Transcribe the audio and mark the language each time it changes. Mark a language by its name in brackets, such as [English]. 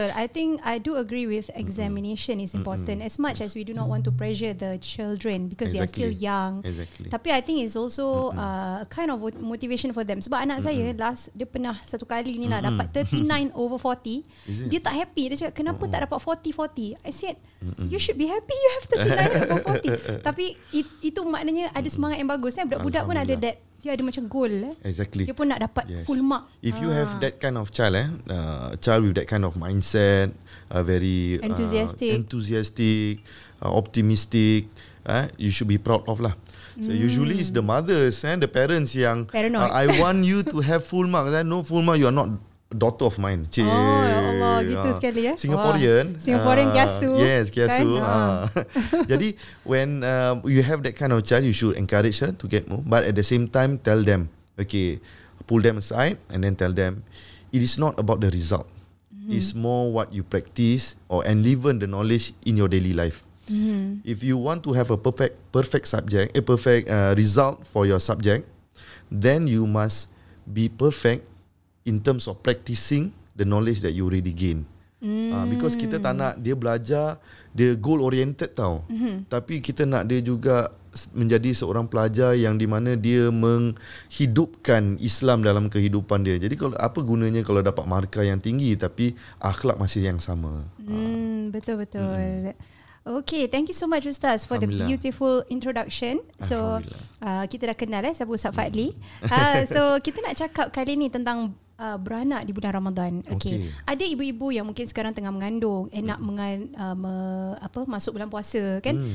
[English] I think I do agree with examination is important as much as we do not want to pressure the children because they are still young. Exactly. Tapi I think it's also kind of motivation for them. [Malay] Sebab anak saya last, dia pernah satu kali ni lah dapat 39 over 40. Dia tak happy. Dia cakap, kenapa tak dapat 40-40? [English] I said, you should be happy, you have 39 over 40. [Malay] Tapi itu maknanya ada semangat yang bagus. Budak-budak pun ada that. Dia ada macam goal. [English] Exactly. [Malay] Dia pun nak dapat full mark. [English] If you have that kind of child, child with that kind of mindset, very enthusiastic, optimistic, you should be proud of lah. So usually it's the mothers and the parents yang paranoid. I want you to have full mark. No full mark, you are not daughter of mine. [Malay] Oh, Allah, gitu sekali ya. [English] Singaporean. Singaporean kiasu. Yes, kiasu. Kan? Jadi, when you have that kind of child, you should encourage her to get more. But at the same time, tell them, okay, pull them aside and then tell them, it is not about the result. It's more what you practice or enliven the knowledge in your daily life. If you want to have a perfect subject, a perfect result for your subject, then you must be perfect in terms of practicing the knowledge that you already gain. [Malay] Because kita tak nak dia belajar, dia goal oriented tau. Tapi kita nak dia juga menjadi seorang pelajar yang di mana dia menghidupkan Islam dalam kehidupan dia. Jadi kalau apa gunanya kalau dapat markah yang tinggi tapi akhlak masih yang sama. Betul-betul. [English] Okay, thank you so much Ustaz for the beautiful introduction. [Malay] So, kita dah kenal siapa Ustaz Fadli. So, kita nak cakap kali ni tentang beranak di bulan Ramadan. Okay. Ada ibu-ibu yang mungkin sekarang tengah mengandung and nak masuk bulan puasa kan.